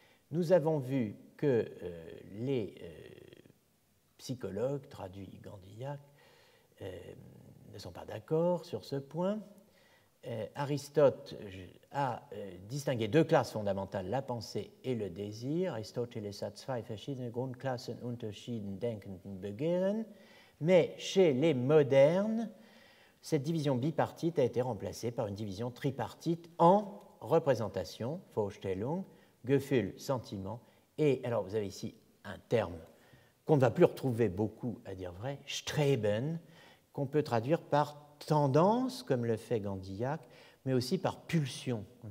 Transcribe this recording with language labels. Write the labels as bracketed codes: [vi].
[fr] Nous avons vu que les psychologues, traduit Gandillac, ne sont pas d'accord sur ce point. Aristote a distingué deux classes fondamentales, la pensée et le désir. [de] Aristoteles hat zwei verschiedene Grundklassen unterschieden, denken und begehren. [fr] Mais chez les modernes, cette division bipartite a été remplacée par une division tripartite en représentation, Vorstellung, Gefühl, sentiment. Et alors, vous avez ici un terme qu'on ne va plus retrouver beaucoup, à dire vrai, Streben, qu'on peut traduire par tendance, comme le fait Gandillac, mais aussi par pulsion.